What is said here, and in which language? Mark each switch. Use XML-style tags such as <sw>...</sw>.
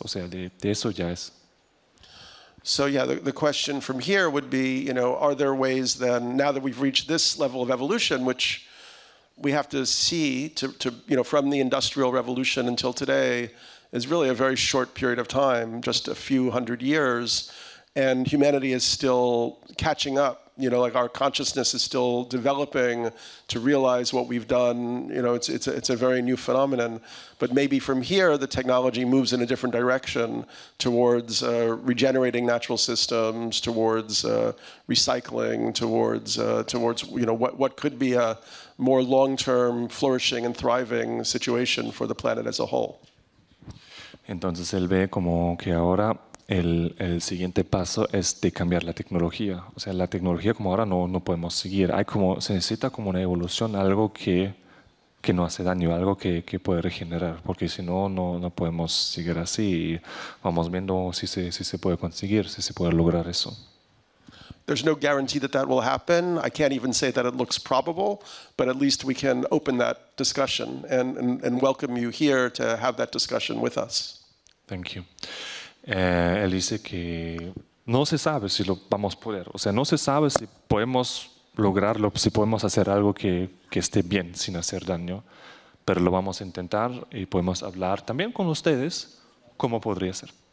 <es>O sea, de eso ya es.</es> <en>So yeah, the question from here would be, you know, are there ways then, now that we've reached this level of evolution, which we have to see to you know, from the Industrial Revolution until today is really a very short period of time, just a few hundred years, and humanity is still catching up you know, like our consciousness is still developing to realize what we've done. You know, it's a very new phenomenon. But maybe from here, the technology moves in a different direction towards regenerating natural systems, towards recycling, towards you know, what could be a more long-term flourishing and thriving situation for the planet as a whole.</en> <es>Entonces él ve como que ahora el siguiente paso es de cambiar la tecnología. O sea, la tecnología como ahora no podemos seguir. Hay como, se necesita como una evolución, algo que no hace daño, algo que puede regenerar, porque si no, no podemos seguir así. Y vamos viendo si se puede conseguir, si se puede lograr eso.</es> <en>There's no guarantee that that will happen. I can't even say that it looks probable, but at least we can open that discussion and welcome you here to have that discussion with us. Thank you.</en> <es>Él dice que no se sabe si lo vamos a poder. O sea, no se sabe si podemos lograrlo, si podemos hacer algo que esté bien sin hacer daño, pero lo vamos a intentar y podemos hablar también con ustedes cómo podría ser.</es>